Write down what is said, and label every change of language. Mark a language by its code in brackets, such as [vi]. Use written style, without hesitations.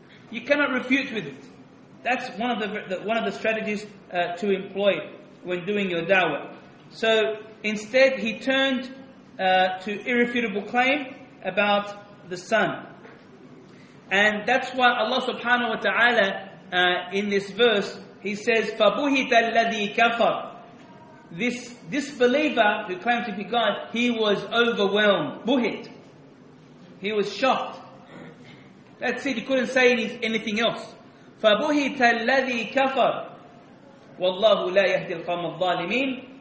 [en] You cannot refute with it. That's one of the strategies to employ when doing your da'wah. So instead, he turned to irrefutable claim about the sun. And that's why Allah subhanahu wa ta'ala in this verse, He says, [ar] فَبُهِتَ الَّذِي كَفَرَ. [en] This disbeliever who claimed to be God, he was overwhelmed. Buhit. He was shocked. That's it. He couldn't say anything else. [ar] فَبُهِتَ الَّذِي كَفَرَ. وَاللَّهُ لَا يَهْدِي الْقَوْمَ الظَّالِمِينَ.